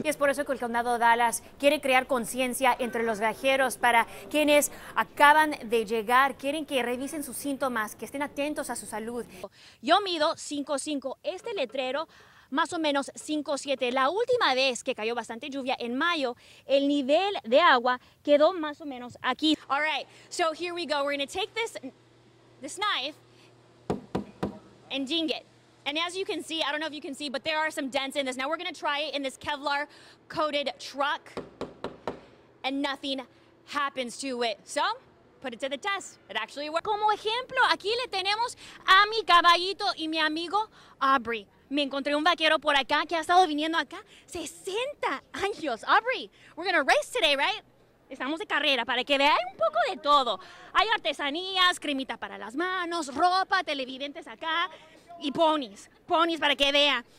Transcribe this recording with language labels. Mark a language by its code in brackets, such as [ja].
[es] Y es por eso que el condado de Dallas quiere crear conciencia entre los viajeros para quienes acaban de llegar, quieren que revisen sus síntomas, que estén atentos a su salud. Yo mido 5'5", este letrero... Más o menos 5'7". La última vez que cayó bastante lluvia en mayo, el nivel de agua quedó más o menos aquí. [en] All right, so here we go. We're gonna take this knife and ding it. And as you can see, I don't know if you can see, but there are some dents in this. Now we're gonna try it in this Kevlar coated truck, and nothing happens to it. So, put it to the test. It actually works. [es] Como ejemplo, aquí le tenemos a mi caballito y mi amigo Aubrey. Me encontré un vaquero por acá que ha estado viniendo acá 60 años. Aubrey, [en] we're gonna race today, right? [es] Estamos de carrera para que veáis un poco de todo. Hay artesanías, cremita para las manos, ropa, televidentes acá y ponis. Ponis para que vea.